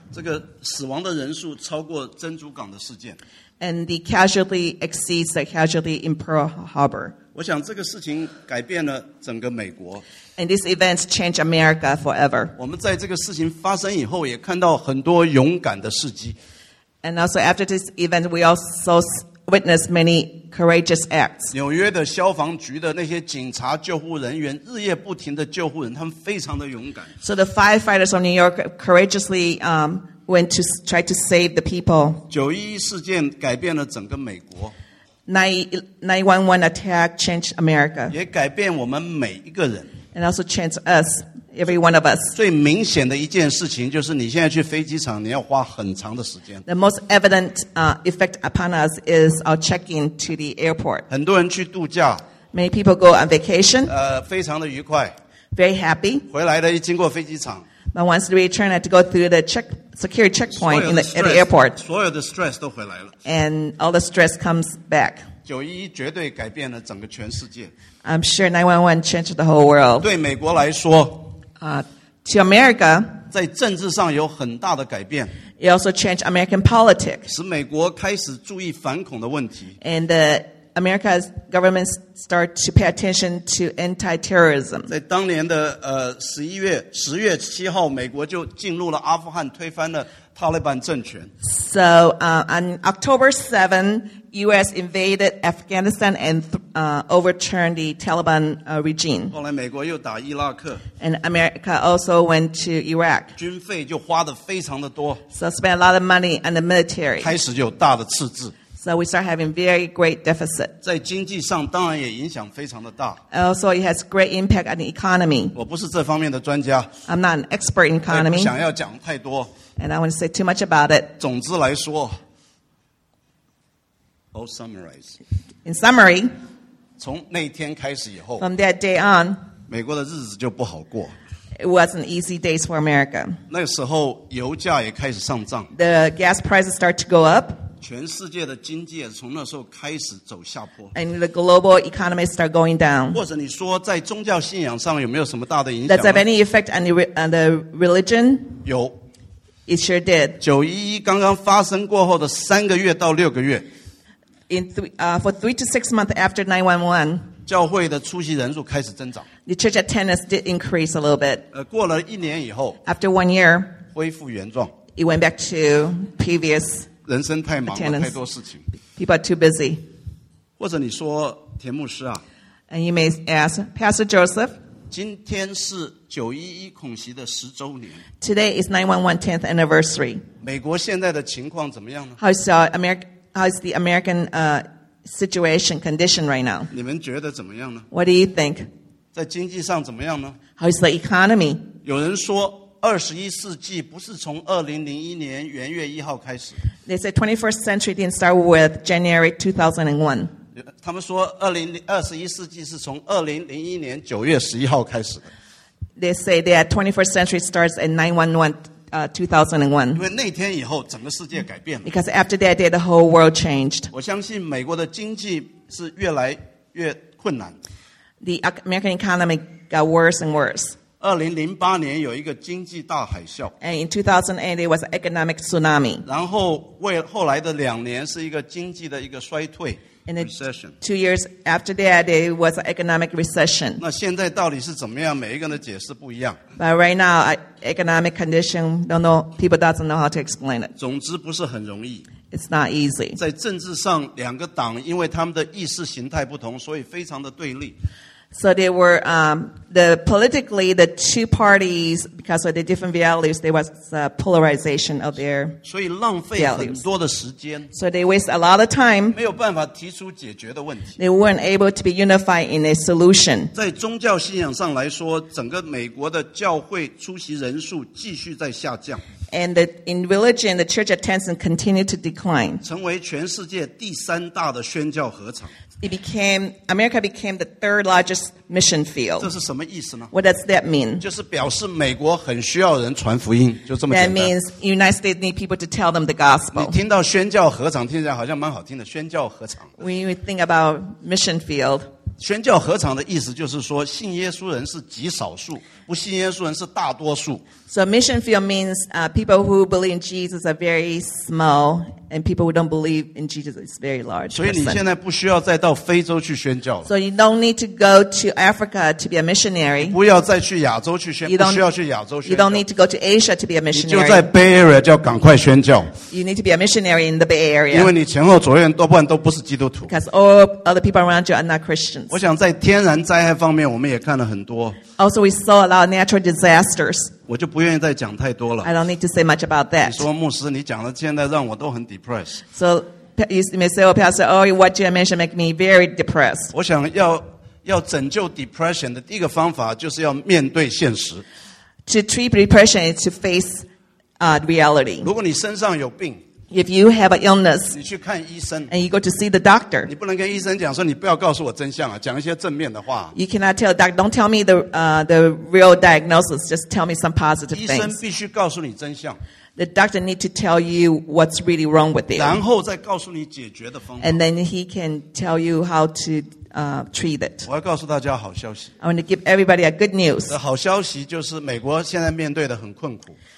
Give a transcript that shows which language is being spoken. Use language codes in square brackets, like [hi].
[zh] 这个死亡的人数超过珍珠港的事件。 [en] And the casualty exceeds the casualty in Pearl Harbor. [zh] 我想这个事情改变了整个美国。 [en] And these events change America forever. [zh] 我们在这个事情发生以后也看到很多勇敢的事迹。 [en] And also after this event, we also witnessed many courageous acts. [zh] 纽约的消防局的那些警察救护人员日夜不停的救护人，他们非常的勇敢。 [en] So the firefighters of New York courageously went to try to save the people. [zh] 911事件改变了整个美国。 [en] 911 attack changed America. [zh] 也改变我们每一个人。 [en] And also changed us, every one of us. [zh] 最明显的一件事情就是你现在去飞机场你要花很长的时间。 [en] The most evident effect upon us is our check-in to the airport. [zh] 很多人去度假。 [en] Many people go on vacation. [zh] 非常的愉快。 [en] Very happy. [zh] 回来的一经过飞机场。 [en] But once we return, I had to go through the security checkpoint at the airport. [zh] 所有的 stress 都回来了。 [en] And all the stress comes back. [zh] 911绝对改变了整个全世界。 [en] I'm sure 911 changed the whole world. [zh] 对美国来说 [en] to America, [zh] 在政治上有很大的改变。 [en] It also changed American politics. [zh] 使美国开始注意反恐的问题。 [en] And America's government start to pay attention to anti-terrorism. [zh] 在当年的10月7号，美国就进入了阿富汗，推翻了塔利班政权。 [en] So on October 7th, U.S. invaded Afghanistan and overturned the Taliban regime. [zh] 后来美国又打伊拉克。 [en] And America also went to Iraq. [zh] 军费就花得非常的多。 [en] So spent a lot of money on the military. [zh] 开始有大的赤字。 [en] So we start having very great deficit. [zh] 在经济上当然也影响非常的大。 [en] Also, it has great impact on the economy. [zh] 我不是这方面的专家。 [en] I'm not an expert in economy. [zh] 不想要讲太多。 [en] And I won't say too much about it. [zh] 总之来说 [en] I'll summarize. In summary, [zh] 从那天开始以后 [en] from that day on, [zh] 美国的日子就不好过。 [en] It wasn't easy days for America. [zh] 那个时候油价也开始上涨。 [en] The gas prices start to go up. [zh] 全世界的经济也从那时候开始走下坡。 [en] And the global economy start going down. [zh] 或者你说在宗教信仰上有没有什么大的影响？ [en] Does have any effect on the religion? [zh] 有。 [en] It sure did. [zh] 911刚刚发生过后的三个月到六个月 [en] for 3 to 6 months after 911, [zh] 教会的出席人数开始增长。 [en] The church attendance did increase a little bit. [zh] 过了一年以后 [en] after 1 year, [zh] 恢复原状。 [en] It went back to previous. [zh] 人生太忙了，太多事情。 [en] People are too busy. [zh] 或者你说田牧师啊 [en] ，And you may ask Pastor Joseph. [zh] 今天是911恐袭的十周年。 [en] Today is 911 10th anniversary. [zh] 美国现在的情况怎么样呢 [en] How is the American situation condition right now? [zh] 你们觉得怎么样呢 [en] What do you think? [zh] 在经济上怎么样呢 [en] How is the economy? [zh] 有人说 21 世纪不是从2001年元月1号开始。 [en] They say 21st century didn't start with January 2001. [zh] 他们说21世纪是从2001年9月11号开始的。 [en] They say that 21st century starts in 9/11/2001. [zh] 因为那天以后整个世界改变了。 [en] Because after that day, the whole world changed. [zh] 我相信美国的经济是越来越困难。 [en] The American economy got worse and worse. [zh] 2008年有一个经济大海啸。 [en] And in 2008, there was an economic tsunami. [zh] 然后后来的两年是一个经济的一个衰退。 [en] And two years after that, there was an economic recession. [zh] 那现在到底是怎么样？每一个人的解释不一样。 [en] But right now, economic condition, people doesn't know how to explain it. [zh] 总之不是很容易。 [en] It's not easy. [zh] 在政治上，两个党因为他们的意识形态不同，所以非常的对立。 [en] So they were politically the two parties because of the different values there was a polarization of their values. [zh] 所以浪费很多的时间。 [en] So they waste a lot of time. [zh] 没有办法提出解决的问题。 [en] They weren't able to be unified in a solution. [zh] 在宗教信仰上来说，整个美国的教会出席人数继续在下降。 [en] And in religion, the church attendance continued to decline. [zh] 成为全世界第三大的宣教合场。 [en] America became the third largest mission field. [zh] 这是什么意思呢？ [en] What does that mean? [zh] 就是表示美国很需要人传福音，就这么简单。 [en] That means United States need people to tell them the gospel. [zh] 你听到宣教合场，听起来好像蛮好听的，宣教合场。 [en] When you think about mission field. [zh] 宣教合场的意思就是说，信耶稣人是极少数，不信耶稣人是大多数。 [en] So mission field means people who believe in Jesus are very small, and people who don't believe in Jesus is very large. [zh] 所以你现在不需要再到非洲去宣教了。 [en] So you don't need to go to Africa to be a missionary. [zh] 不要再去亚洲去宣，不需要去亚洲宣教。 [en] You don't need to go to Asia to be a missionary. [zh] 你就在 Bay Area 就要赶快宣教。 [en] You need to be a missionary in the Bay Area. [zh] 因为你前后左右多半都不是基督徒。 [en] Because all other people around you are not Christians. [zh] 我想在天然灾害方面，我们也看了很多。 [en] Also, we saw a lot of natural disasters. [zh] 我就不愿意再讲太多了。 [en] I don't need to say much about that. [zh] 你说牧师，你讲的现在让我都很 depressed. [en] So you may say, "Oh, Pastor, oh, what you mentioned make me very depressed." [zh] 我想要拯救 depression 的第一个方法就是要面对现实。 [en] To treat depression is to face reality. [zh] 如果你身上有病。 [en] If you have an illness, [zh] 你去看医生, [en] and you go to see the doctor, [zh] 你不能跟医生讲说你不要告诉我真相啊，讲一些正面的话。 [en] You cannot tell the doctor, don't tell me the real diagnosis, just tell me some positive things. [zh] 医生必须告诉你真相。 [en] The doctor need to tell you what's really wrong with you. [zh] 然后再告诉你解决的方法。 [en] And then he can tell you how to treat it. [zh] 我要告诉大家好消息。 [en] I want to give everybody a good news. [zh] 好消息就是美国现在面对的很困苦。